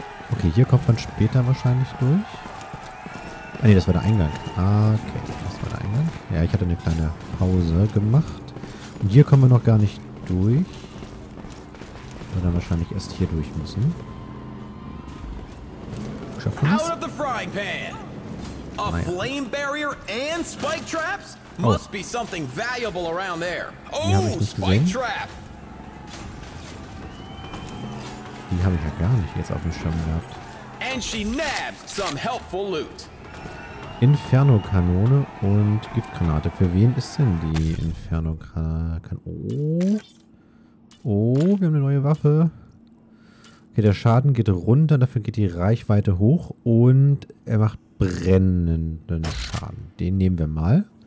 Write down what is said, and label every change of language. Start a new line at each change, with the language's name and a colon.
German: Okay, hier kommt man später wahrscheinlich durch. Ah ne, das war der Eingang. Okay, das war der Eingang. Ja, ich hatte eine kleine Pause gemacht. Und hier kommen wir noch gar nicht durch. Wir dann wahrscheinlich erst hier durch müssen. Schaffen wir's?
English: Out of the frying pan. A flame barrier and spike traps? Must be something valuable around there. Oh, spike trap.
German: Die habe ich ja gar nicht jetzt auf dem Schirm gehabt.
English: And she nabbed some helpful loot.
German: Inferno-Kanone und Giftgranate. Für wen ist denn die Inferno-Kanone? Oh, wir haben eine neue Waffe. Okay, der Schaden geht runter, dafür geht die Reichweite hoch und er macht brennenden Schaden. Den nehmen wir mal.